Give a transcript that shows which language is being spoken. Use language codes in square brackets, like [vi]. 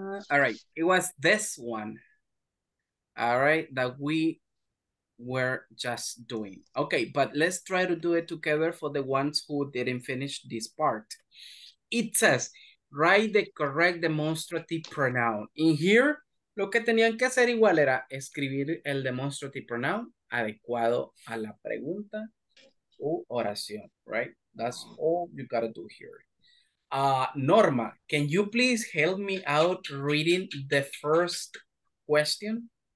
[en] All right. It was this one. All right. That we were just doing. Okay, but let's try to do it together for the ones who didn't finish this part. It says, write the correct demonstrative pronoun. [es] In here, lo que tenían que hacer igual era escribir el demonstrative pronoun adecuado a la pregunta o oración, right? [en] That's all you gotta do here. Norma, can you please help me out reading the first question?